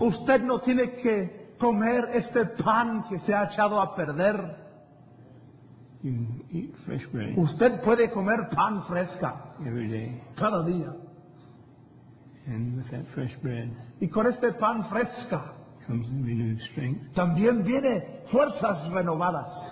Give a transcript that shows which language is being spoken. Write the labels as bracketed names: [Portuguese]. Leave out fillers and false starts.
[Spanish] Usted no tiene que comer este pan que se ha echado a perder. [English] You eat fresh bread. [Spanish] Usted puede comer pan fresca. [English] Every day. [Spanish] Cada día. [English] And with that fresh bread. [Spanish] Y con este pan fresca. [English] Comes renewed strength. [Spanish] También viene fuerzas renovadas.